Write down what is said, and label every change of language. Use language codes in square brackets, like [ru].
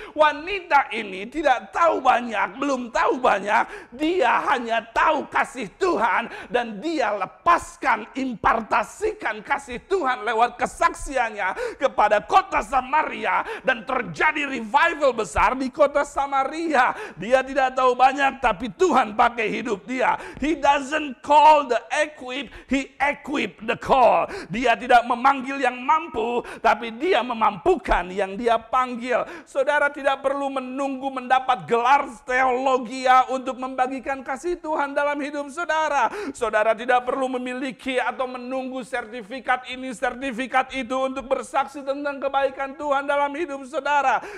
[id] Wanita ini tidak tahu banyak, belum tahu banyak. Dia hanya tahu kasih Tuhan, dan dia lepaskan, impartasikan kasih Tuhan lewat kesaksiannya kepada kota Samaria, dan terjadi revival besar di kota Samaria. Dia tidak tahu banyak, tapi Tuhan pakai hidup dia. [en] He doesn't call the equipped, he equipped the call. [id] Dia tidak memanggil yang mampu, tapi dia memampukan yang dia panggil. Saudara tidak perlu menunggu mendapat gelar teologia untuk membagikan kasih Tuhan dalam hidup saudara. Saudara tidak perlu perlu memiliki atau menunggu sertifikat ini, sertifikat itu untuk bersaksi tentang kebaikan Tuhan dalam hidup saudara.